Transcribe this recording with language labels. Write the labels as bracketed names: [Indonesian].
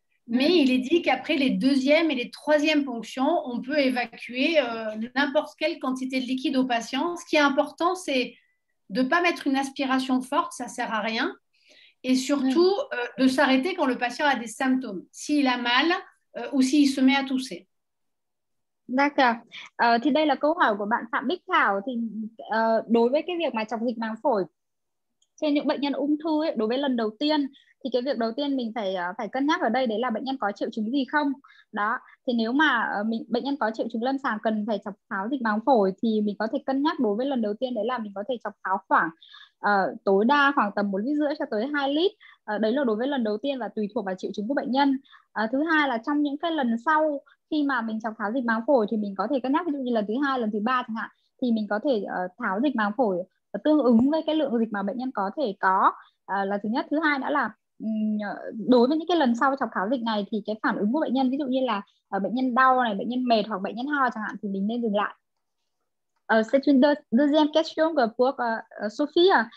[French] Mais il est dit qu'après les deuxièmes et les troisièmes ponctions, on peut évacuer n'importe quelle quantité de liquide au patient. Ce qui est important, c'est de ne pas mettre une aspiration forte, ça ne sert à rien. Et surtout, de s'arrêter quand le patient a des symptômes, s'il a mal ou s'il se met à tousser. D'accord. [Vietnamese] Thì đây là câu hỏi của bạn Phạm Bích Thảo. Thì đối với cái việc mà chọc dịch màng phổi trên những bệnh nhân ung thư ấy, đối với lần đầu tiên, thì cái việc đầu tiên mình phải cân nhắc ở đây đấy là bệnh nhân có triệu chứng gì không. Đó, thì nếu mà bệnh nhân có triệu chứng lâm sàng cần phải chọc tháo dịch màng phổi thì mình có thể cân nhắc đối với lần đầu tiên đấy là mình có thể chọc tháo khoảng tối đa khoảng tầm 1,5 lít cho tới 2 lít. Đấy là đối với lần đầu tiên và tùy thuộc vào triệu chứng của bệnh nhân. Thứ hai là trong những cái lần sau khi mà mình chọc tháo dịch màng phổi thì mình có thể cân nhắc, ví dụ như lần thứ hai, lần thứ ba chẳng hạn, thì mình có thể tháo dịch màng phổi tương ứng với cái lượng dịch mà bệnh nhân có thể có. Là thứ nhất. Thứ hai nữa là đối với những cái lần sau chọc tháo dịch này thì cái phản ứng của bệnh nhân, ví dụ như là bệnh nhân đau này, bệnh nhân mệt hoặc bệnh nhân ho chẳng hạn, thì mình nên dừng lại. [French] C'est une deuxième question pour Sophie.